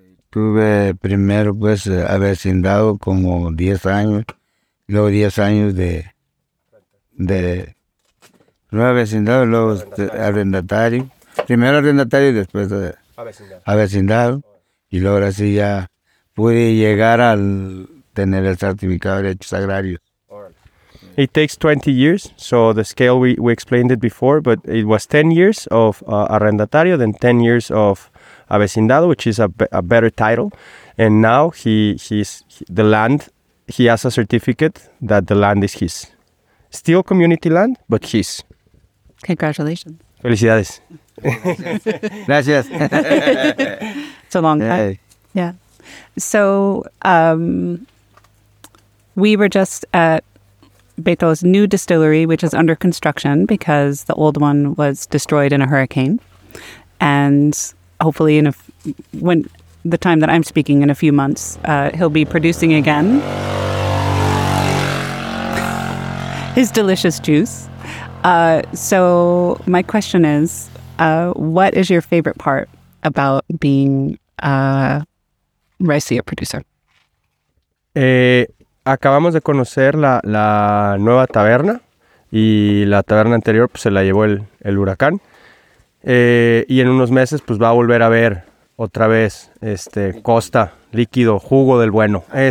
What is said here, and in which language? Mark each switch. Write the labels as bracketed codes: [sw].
[es] Tuve primero, pues, vecindado como 10 años, luego 10 años de no vecindado, luego arrendatario. Primero arrendatario y después vecindado. Y luego ahora sí ya pude llegar al tener el certificado de derechos agrarios. [en] It takes 20 years, so the scale we explained it before, but it was 10 years of arrendatario, then 10 years of avecindado, which is a better title, and now he has a certificate that the land is his. Still community land, but his. Congratulations. [es] Felicidades. Gracias. [en] It's a long time. Yeah. So we were just at Beto's new distillery, which is under construction because the old one was destroyed in a hurricane. And hopefully when the time that I'm speaking in a few months, he'll be producing again his delicious juice. So my question is, what is your favorite part about being a ricea producer? [es] Acabamos de conocer la nueva taberna y la taberna anterior pues, se la llevó el huracán. Y en unos meses pues va a volver a ver otra vez costa, líquido, jugo del bueno.